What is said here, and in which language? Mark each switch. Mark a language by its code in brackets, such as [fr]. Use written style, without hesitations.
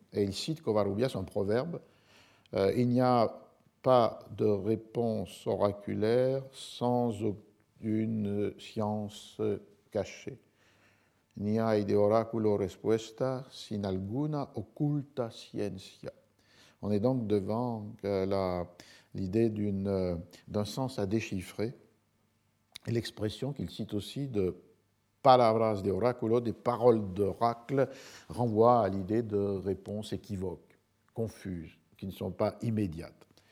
[fr] Et il cite Covarrubias, un proverbe, il n'y a pas de réponse oraculaire sans une science cachée. [es] Ni hay de oráculo respuesta sin alguna oculta ciencia. [fr] On est donc devant l'idée d'un sens à déchiffrer, et l'expression qu'il cite aussi de [es] palabras de oráculo, [fr] des paroles d'oracle, renvoie à l'idée de réponses équivoques, confuses, qui ne sont pas immédiates.